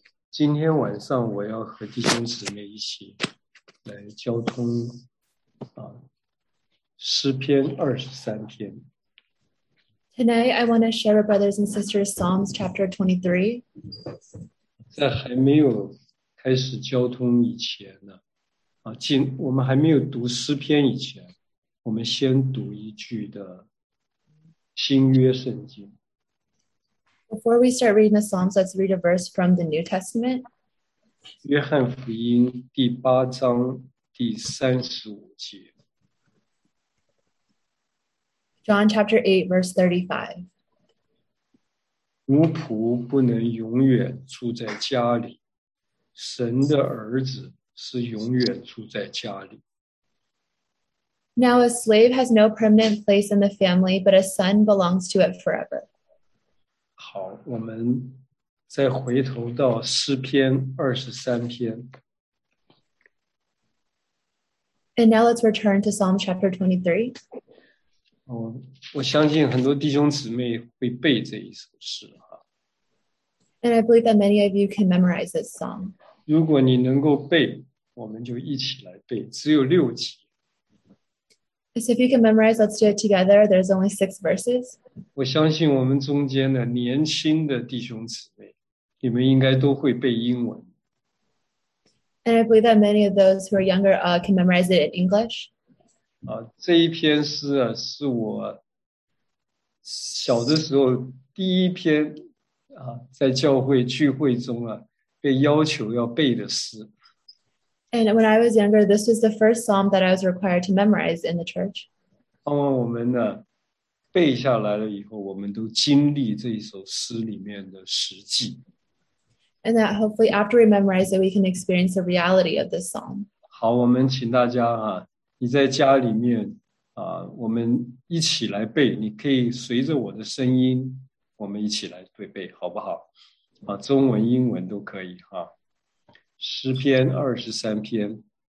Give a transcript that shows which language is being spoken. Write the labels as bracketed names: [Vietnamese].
[Chinese] 今天晚上我要和弟兄姊妹一起来交通诗篇23篇。 [English] Tonight, I want to share with brothers and sisters Psalms chapter 23. [Chinese] 在还没有开始交通以前呢，我们还没有读诗篇以前，我们先读一句的新约圣经。 [English] Before we start reading the Psalms, let's read a verse from the New Testament. [Chinese] 约翰福音第八章第35节。 [English] John chapter 8, verse 35. [Chinese] 奴仆不能永远住在家里，神的儿子是永远住在家里。 [English] Now a slave has no permanent place in the family, but a son belongs to it forever. [Chinese] 好，我们再回头到诗篇23篇。 [English] And now let's return to Psalm chapter 23. [Chinese] 我相信很多弟兄姊妹会背这一首诗啊。 [English] And I believe that many of you can memorize this song. [Chinese] 如果你能够背，我们就一起来背，只有六节。 [English] So if you can memorize, let's do it together. There's only six verses. [Chinese] 我相信我们中间的年轻的弟兄姊妹，你们应该都会背英文。 [English] And I believe that many of those who are younger, can memorize it in English. [Chinese] 这一篇诗啊，是我小的时候第一篇在教会聚会中啊，被要求要背的诗。 [English] And when I was younger, this was the first psalm that I was required to memorize in the church. [Chinese] 当我们呢背下来了以后，我们都经历这一首诗里面的实际。 [English] And that hopefully after we memorize it, we can experience the reality of this psalm. [Chinese] 好，我们请大家啊，你在家里面啊，我们一起来背。你可以随着我的声音，我们一起来对背，好不好？啊，中文、英文都可以哈。诗篇23篇。